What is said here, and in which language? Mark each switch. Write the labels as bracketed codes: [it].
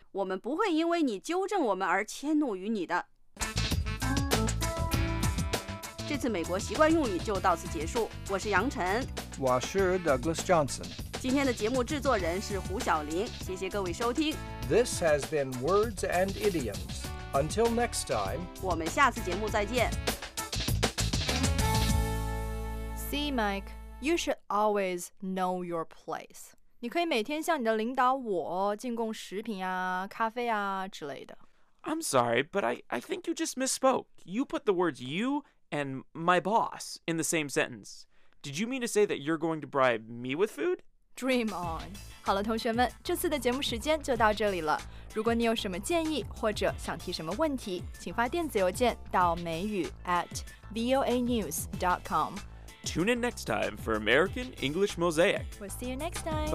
[zh] 我们不会因为你纠正我们而迁怒于你的。这次美国习惯用语就到此结束，我是杨晨，我是 Douglas Johnson。今天的节目制作人是胡晓玲，谢谢各位收听。 [en] This has been Words and Idioms. Until next time, [zh] 我们下次节目再见。 [en] See, Mike, you should always know your place. [zh] 你可以每天向你的领导我进贡食品啊、咖啡啊之类的。 [en] I'm sorry, but I think you just misspoke. You put the words you and my boss in the same sentence. Did you mean to say that you're going to bribe me with food? Dream on. [zh] 好了，同学们，这次的节目时间就到这里了。如果你有什么建议或者想提什么问题，请发电子邮件到美语@voanews.com. [en] Tune in next time for American English Mosaic. We'll see you next time.